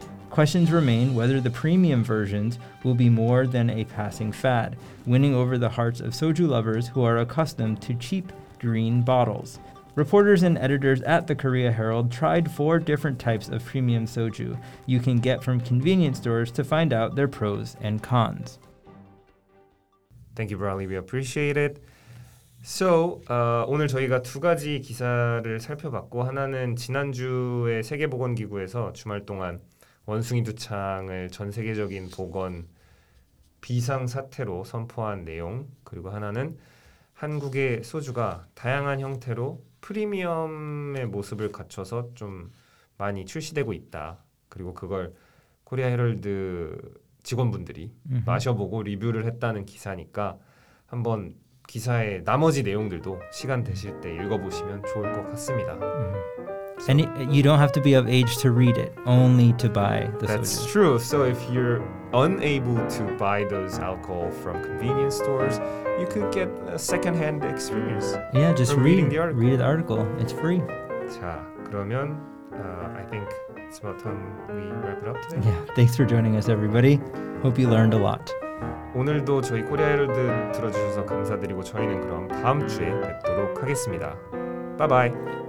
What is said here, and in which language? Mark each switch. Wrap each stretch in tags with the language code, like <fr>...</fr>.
<en>Questions remain whether the premium versions will be more than a passing fad, winning over the hearts of soju lovers who are accustomed to cheap green bottles. Reporters and editors at the Korea Herald tried four different types of premium soju you can get from convenience stores to find out their pros and cons. Thank you, Brawley. We appreciate it.</en> <ko>So, 오늘 저희가 두 가지 기사를 살펴봤고 하나는 지난주에 세계보건기구에서 주말 동안 원숭이두창을 전 세계적인 보건 비상사태로 선포한 내용 그리고 하나는 한국의 소주가 다양한 형태로 프리미엄의 모습을 갖춰서 좀 많이 출시되고 있다. 그리고 그걸 코리아 헤럴드 직원분들이 마셔보고 리뷰를 했다는 기사니까 한번 기사의 나머지 내용들도 시간 되실 때 읽어보시면 좋을 것 같습니다.</ko> <en>And you don't have to be of age to read it, only to buy the soju. That's true. So if you're unable to buy those alcohol from convenience stores, you could get a second-hand experience. Yeah, just reading the article. Read the article. It's free.</en> <ko>자, 그러면</ko> <en>I think it's about time we wrap it up today. Yeah, thanks for joining us, everybody. Hope you learned a lot.</en> <ko>오늘도 저희 코리아 헤럴드 들어주셔서 감사드리고 저희는 그럼 다음 주에 뵙도록 하겠습니다.</ko> <en>Bye-bye.</en>